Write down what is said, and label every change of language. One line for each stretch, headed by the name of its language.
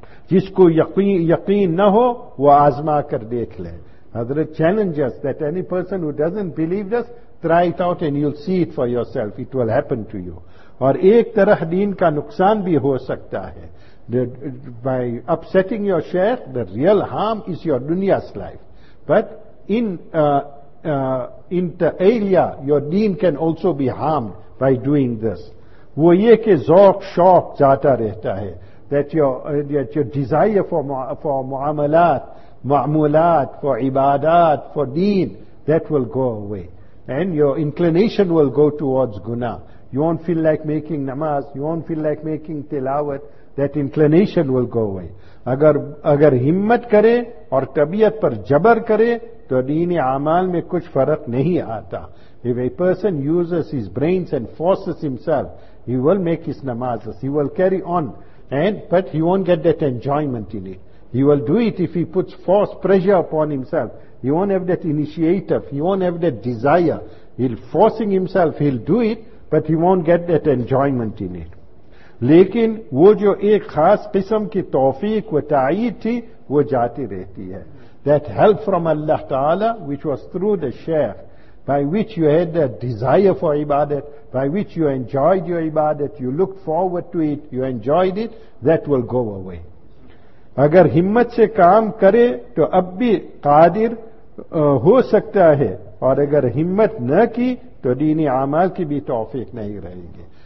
Urdu: جس کو یقین نہ ہو وہ آزما کر دیکھ لے.
English: حضرت challenge us that any person who doesn't believe us, try it out and you'll see it for yourself. It will happen to you.
Urdu: اور ایک طرح دین کا نقصان بھی ہو سکتا ہے.
English: By upsetting your sheikh, the real harm is your dunya's life. But inter alia, your deen can also be harmed by doing this.
Urdu: وہ یہ کہ ذوق شوق جاتا رہتا ہے.
English: That your desire for معاملات, for عبادات, for deen, that will go away. And your inclination will go towards guna. You won't feel like making namaz, you won't feel like making tilawat, that inclination will go away.
Urdu: اگر ہمت کرے اور طبیعت پر جبر کرے تو دین اعمال میں کچھ فرق نہیں آتا.
English: If a person uses his brains and forces himself, he will make his namazes, he will carry on. But he won't get that enjoyment in it. He will do it if he puts force, pressure upon himself. He won't have that initiative. He won't have that desire. He'll forcing himself, he'll do it, but he won't get that enjoyment in it.
Urdu: لیکن وہ جو ایک خاص قسم کی توفیق و تعیید تھی وہ جاتی رہتی ہے.
English: That help from Allah Ta'ala, which was through the Shaykh, by which you had the desire for ibadat, by which you enjoyed your ibadat, you looked forward to it, you enjoyed it, that will go away.
Urdu: اگر ہمت سے کام کرے تو اب بھی قادر ہو سکتا ہے, اور اگر ہمت نہ کی تو دینی اعمال کی بھی توفیق نہیں رہیں گے.